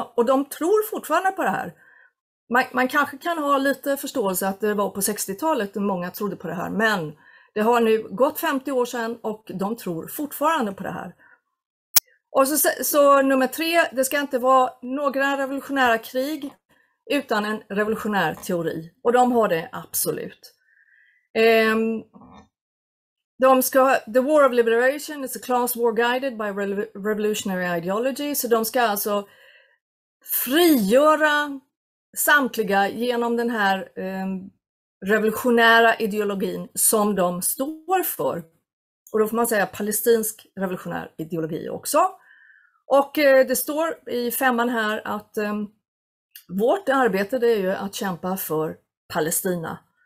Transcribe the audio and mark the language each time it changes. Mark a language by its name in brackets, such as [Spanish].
[Swedish] Och de tror fortfarande på det här. Man kanske kan ha lite förståelse att det var på 60-talet och många trodde på det här. Men det har nu gått 50 år sedan och de tror fortfarande på det här. Och så nummer tre, det ska inte vara några revolutionära krig utan en revolutionär teori. Och de har det absolut. De ska, [English] the war of liberation is a class war guided by revolutionary ideology. [Swedish] Så de ska alltså frigöra samtliga genom den här revolutionära ideologin som de står för. Och då får man säga palestinsk revolutionär ideologi också. Och det står i femman här att vårt arbete det är ju att kämpa för Palestina.